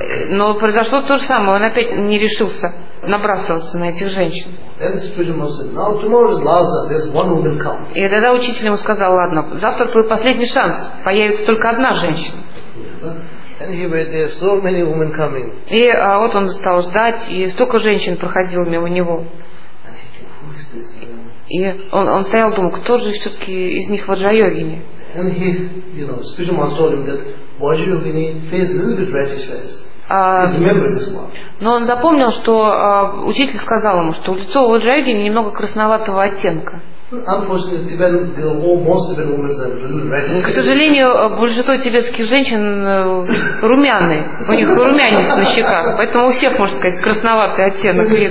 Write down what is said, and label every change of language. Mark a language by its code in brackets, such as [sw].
[ru] Но произошло то же самое, он опять не решился набрасываться на этих женщин. И тогда учитель ему сказал: ладно, завтра твой последний шанс, появится только одна женщина. [en] And he waited there, so many women coming. [ru] И вот он стал ждать, и столько женщин проходило мимо него. [en] And he thought, who is this? [ru] И он стоял и думал, кто же все-таки из них ваджра-йогини. [en] And he, you know, spiritual master told him that Vajrayogini face is a bit reddish face. He's remembered this one. [ru] Но он запомнил, что учитель сказал ему, что лицо у Vajrayogini немного красноватого оттенка. К сожалению, большинство тибетских женщин румяные, у них румянец на щеках, поэтому у всех, можно сказать, красноватый оттенок.